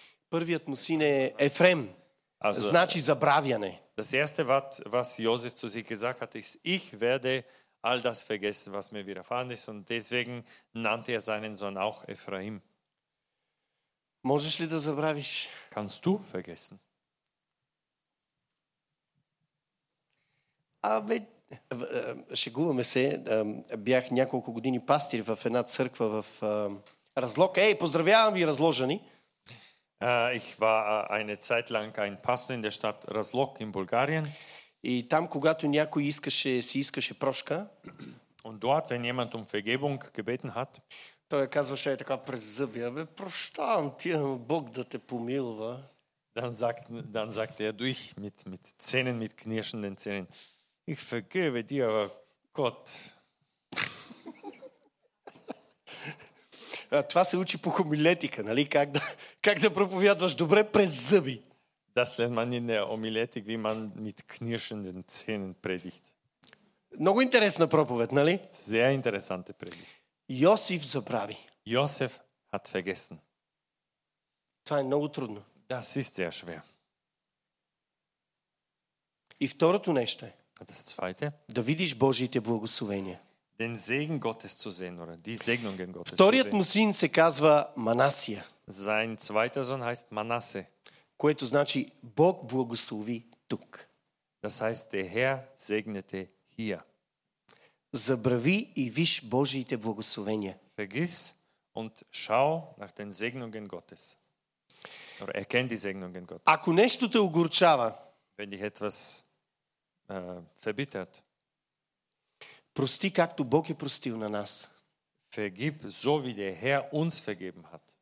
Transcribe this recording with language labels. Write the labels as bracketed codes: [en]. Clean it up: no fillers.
[bg] Първият му син е Ефрем. Also, значи забравяне. [de] Das erste, was Josef zu sich gesagt hat, ist, ich werde all das vergessen, was mir widerfahren ist. Und deswegen nannte er seinen Sohn auch Ephraim. [bg] Можеш ли да забравиш? [de] Kannst du vergessen? [bg] Абе, шегуваме се, бях няколко години пастир в една църква в Разлог. Ей, поздравявам ви, разложени. [de] Ich war eine Zeit lang ein Pastor in der Stadt Razlog in Bulgarien. [bg] И там, когато някой искаше, си искаше прошка. [de] Und dort, wenn jemand Vergebung gebeten hat. [bg] Той казваше така през зъби, абе, прощавам ти, Бог да те помилва. [de] Dann sagt er durch mit Zähnen, mit knirschenden Zähnen. Ich vergebe dir, aber Gott. [bg] Това се учи по хомилетика, нали? Как да проповядваш добре през зъби. [de] Das lernt man in der Homiletik, wie man mit knirschenden Zähnen predigt. [bg] Много интересна проповед, нали? [de] Sehr interessante Predigt. [bg] Йосиф забрави. [de] Йосиф hat vergessen. [bg] Това е много трудно. [de] Das ist sehr schwer. [bg] И второто нещо е. [de] Das zweite, [bg] да видиш Божиите благословения. [de] Den Segen Gottes zu sehen oder die Segnungen Gottes. [bg] Вторият му син се казва Манасия. [de] Sein zweiter Sohn heißt Manasse. [bg] Което значи Бог благослови тук. [de] Das heißt der Herr segnete hier. [bg] Забрави и виж Божиите благословения. [de] Vergiss und schau nach den Segnungen Gottes. Oder erkenn die Segnungen Gottes. [bg] Ако нещо те огорчава, [de] wenn dich etwas verbittert. [bg] Прости, както Бог е простил на нас. [de] Vergib, so wie der Herr uns vergeben hat.